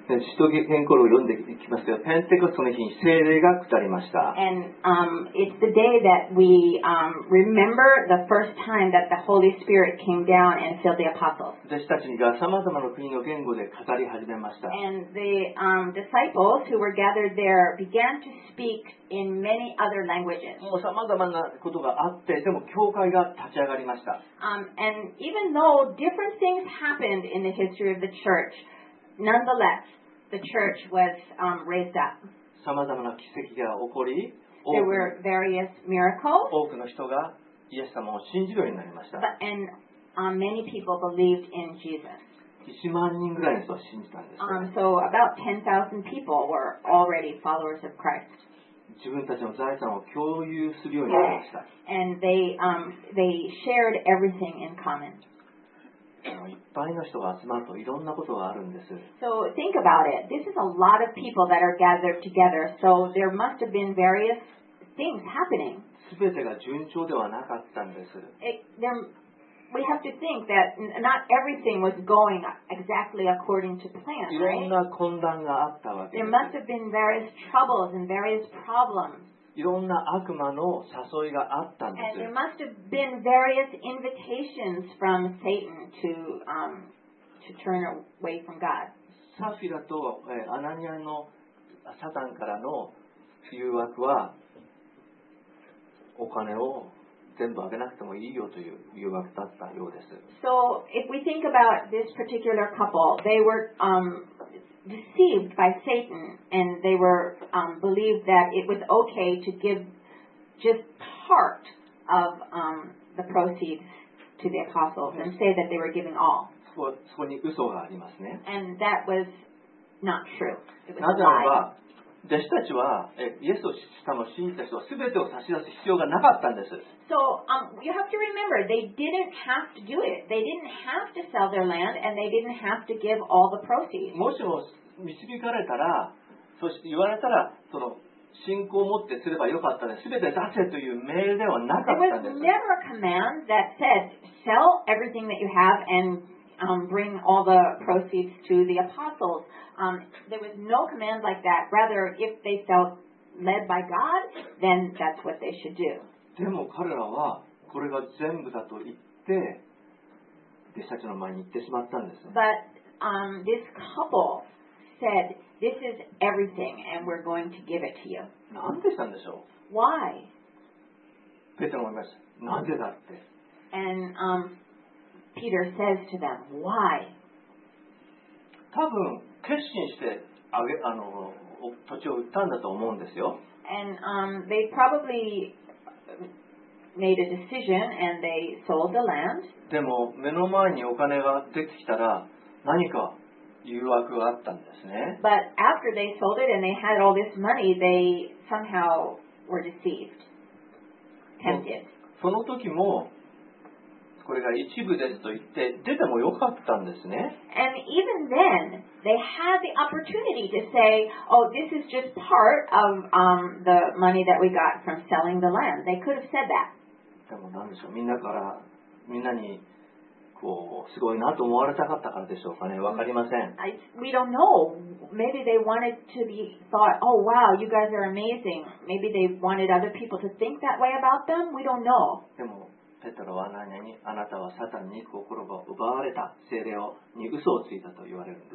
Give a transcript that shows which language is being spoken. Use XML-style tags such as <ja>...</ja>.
<ja>使徒行伝を読んでいきますよ。ペンテコストの日に聖霊が下りました。</ja> <en>And, it's the day that we, remember the first time that the Holy Spirit came down and filled the apostles.</en> <ja>弟子たちが様々な国の言語で語り始めました。</ja> <en>And the, disciples who were gathered there began to speak in many other languages.</en> <ja>もう様々なことがあって、でも教会が立ち上がりました。</ja> <en>And even though different things happened in the history of the church, nonetheless, the church was raised up.</en> <ja>様々な奇跡が起こり、</ja> <en>There were various miracles.</en> <ja>多くの人がイエス様を信じるようになりました。</ja> <en>But, and many people believed in Jesus.</en> <ja>1万人ぐらいの人を信じたんです。</ja> <en>So about 10,000 people were already followers of Christ.</en> <ja>自分たちの財産を共有するようになりました。</ja> <en>Yes. And they shared everything in common.</en> <ja>いっぱいの人が集まるといろんなことがあるんです。</ja> <en>So think about it. This is a lot of people that are gathered together. So there must have been various things happening.</en> <ja>全てが順調ではなかったんです。</ja> <en>We have to think that not everything was going exactly according to plan, right?</en> <ja>いろんな混乱があったわけです。</ja> <en>There must have been various troubles and various problems.</en> <ja>いろんな悪魔の誘いがあったんです。</ja> <en>And there must have been various invitations from Satan to turn away from God.</en> <ja>サフィラとアナニアのサタンからの誘惑はお金を全部あげなくてもいいよという誘惑だったようです。</ja> <en>So if we think about this particular couple, they were deceived by Satan, and they were believed that it was okay to give just part of the proceeds to the apostles and say that they were giving all.</en> <ja>そこに嘘がありますね。</ja> <en>And that was not true.</en> <ja>なぜならば弟子たちはイエスを信じた人は全てを差し出す必要がなかったんです。</ja> <en>So, you have to remember, they didn't have to do it. They didn't have to sell their land and they didn't have to give all the proceeds.</en> <ja>もしも導かれたら、そして言われたら、その信仰を持ってすればよかったね。全て出せという命令ではなかったんです。</ja> <en>There was never a command that said, sell everything that you have andbring all the proceeds to the apostles. There was no command like that. Rather, if they felt led by God, then that's what they should do.</en> <ja>でも彼らはこれが全部だと言って弟子たちの前に行ってしまったんです。</ja> <en>But this couple said, "This is everything, and we're going to give it to you."</en> <ja>なんでしたんでしょう。</ja> <en>Why?</en> <ja>ペテロも言います。なんでだって。</ja> <en>And Peter says to them, why?</en> <ja>多分決心してあげ、あの、土地を売ったんだと思うんですよ。</ja> <en>And they probably made a decision and they sold the land.</en> <ja>でも目の前にお金が出てきたら何か誘惑があったんですね。</ja> <en>But after they sold it and they had all this money, they somehow were deceived. tempted.</en> <ja>その時もこれが一部ですと言って出てもよかったんですね。</ja> <en>And even then, they had the opportunity to say, oh, this is just part of、the money that we got from selling the land. They could have said that.</en> <ja>でも何でしょう、みんなから、みんなにこうすごいなと思われたかったからでしょうかね、わかりません。</ja> <en>We don't know. Maybe they wanted to be thought, oh, wow, you guys are amazing. Maybe they wanted other people to think that way about them. We don't know.</en> <ja>でもペトロはアナニアに、あなたはサタンに心が奪われた、聖霊に嘘をついたと言われるんです。</ja>